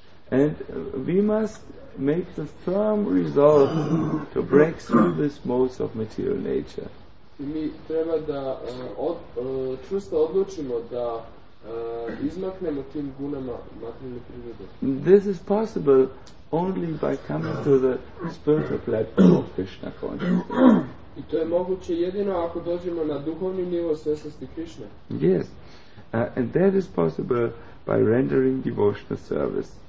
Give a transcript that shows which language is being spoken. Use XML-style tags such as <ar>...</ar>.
<en>And we must make the firm resolve to break through this modes of material nature.</en> <sr>I mi treba da čvrsto odlučimo da izmaknemo tim gunama materijalne prirode.</sr> <en>This is possible only by coming to the spiritual platform of Krishna consciousness.</en> <sr>I to je moguće jedino ako dođemo na duhovni nivo svjesnosti Krishna.</sr> <en>Yes. And that is possible by rendering devotional service.</en>